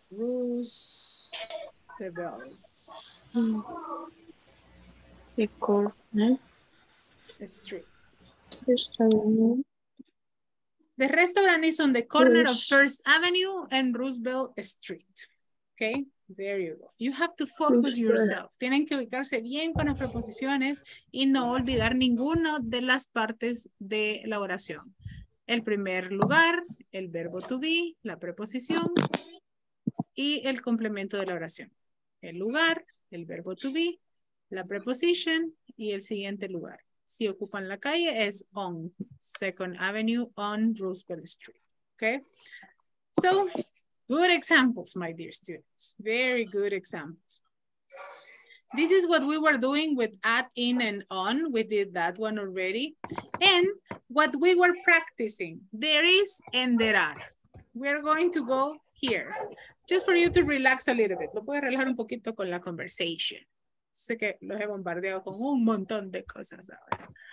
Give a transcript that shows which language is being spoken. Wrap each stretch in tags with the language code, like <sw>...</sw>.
<en>Roosevelt. The corner street. Restaurant. The restaurant is on the corner of First Avenue and Roosevelt Street. Okay, there you go. You have to focus Roosevelt. Yourself.</en> <es>Tienen que ubicarse bien con las preposiciones y no olvidar ninguna de las partes de la oración. El primer lugar, el verbo to be, la preposición y el complemento de la oración. El lugar, el verbo to be, la preposición y el siguiente lugar. Si ocupan la calle es</es> <en>on Second Avenue on Roosevelt Street.</en> <es>Okay?</es> <en>So, good examples, my dear students. Very good examples. This is what we were doing with at, in, and on. We did that one already. And what we were practicing, there is and there are. We're going to go here. Just for you to relax a little bit.</en> <es>Lo puedo relajar un poquito con la conversation. Sé que los he bombardeado con un montón de cosas ahora.</es>